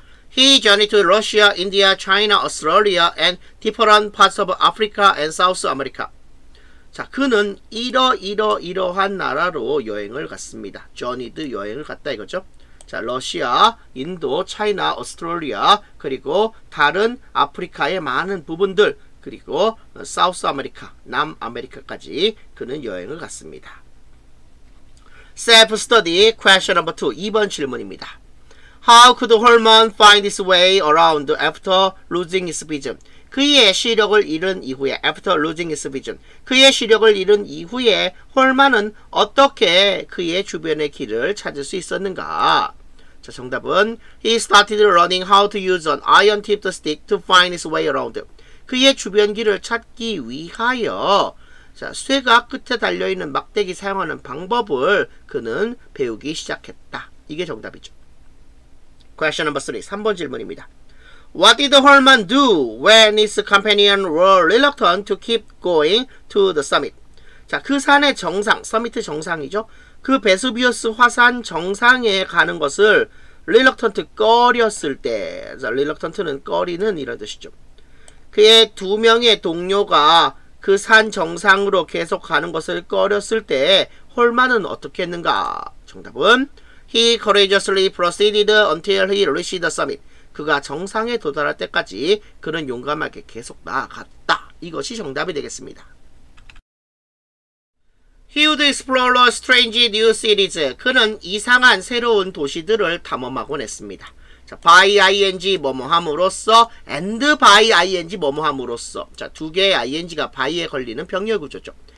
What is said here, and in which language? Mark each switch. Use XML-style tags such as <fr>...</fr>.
<en>He journeyed to Russia, India, China, Australia, and different parts of Africa and South America.</en> <ko>자, 그는 이러이러이러한 나라로 여행을 갔습니다. journeyed 여행을 갔다 이거죠. 자, 러시아, 인도, 차이나, 오스트레일리아, 그리고 다른 아프리카의 많은 부분들, 그리고 사우스 아메리카, 남아메리카까지 그는 여행을 갔습니다.</ko> <en>Self-study question number 2,</en> <ko>2번 질문입니다.</ko> <en>How could Holman find his way around after losing his vision?</en> <ko>그의 시력을 잃은 이후에,</ko> <en>after losing his vision,</en> <ko>그의 시력을 잃은 이후에 홀만은 어떻게 그의 주변의 길을 찾을 수 있었는가? 자, 정답은</ko> <en>He started learning how to use an iron-tipped stick to find his way around.</en> <ko>그의 주변 길을 찾기 위하여 자, 쇠가 끝에 달려있는 막대기 사용하는 방법을 그는 배우기 시작했다. 이게 정답이죠.</ko> <en>Question number 3,</en> <ko>3번 질문입니다.</ko> <en>What did Holman do when his companions were reluctant to keep going to the summit?</en> <ko>자, 그 산의 정상, summit 정상이죠. 그 베수비우스 화산 정상에 가는 것을 reluctant 꺼렸을 때, 자, reluctant는 꺼리는 이런 뜻이죠. 그의 두 명의 동료가 그 산 정상으로 계속 가는 것을 꺼렸을 때 홀만은 어떻게 했는가? 정답은</ko> <en>He courageously proceeded until he reached the summit.</en> <ko>그가 정상에 도달할 때까지 그는 용감하게 계속 나아갔다. 이것이 정답이 되겠습니다.</ko> <en>He would explore a strange new cities.</en> <ko>그는 이상한 새로운 도시들을 탐험하곤 했습니다. 자, by ing 뭐뭐함으로써 and by ing 뭐뭐함으로써 자, 두 개의 ing가 by에 걸리는 병렬 구조죠.</ko>